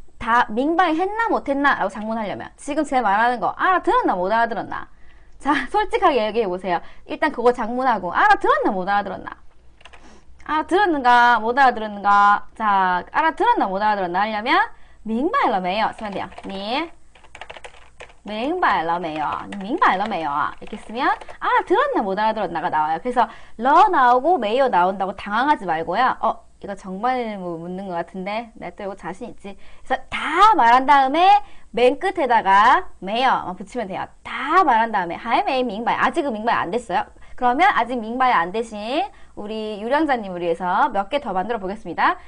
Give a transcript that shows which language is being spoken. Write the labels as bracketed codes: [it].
[ko] 다 밍바이 했나 못 했나라고 작문하려면 지금 제가 말하는 거 알아들었나 못 알아들었나? 자, 솔직하게 얘기해 보세요. 일단 그거 작문하고 알아들었나 못 알아들었나? 알아들었는가 못 알아들었는가? 자, 알아들었나 못 알아들었나 하려면 밍바이러 메요 쓰면 돼요. [zh] 니 明白了没有?你明白了没有? [ko] 이렇게 쓰면, 알아들었나 못 알아들었나가 나와요. 그래서, 러 나오고, 메이어 나온다고 당황하지 말고요. 이거 정반응을 묻는 것 같은데? 내가 또 이거 자신 있지? 그래서, 다 말한 다음에, 맨 끝에다가, 메이어 붙이면 돼요. 다 말한 다음에, 하이 메이, 明白. 아직은 明白 안 됐어요? 그러면, 아직 明白 안 되신, 우리 유령자님을 위해서 몇개더 만들어 보겠습니다.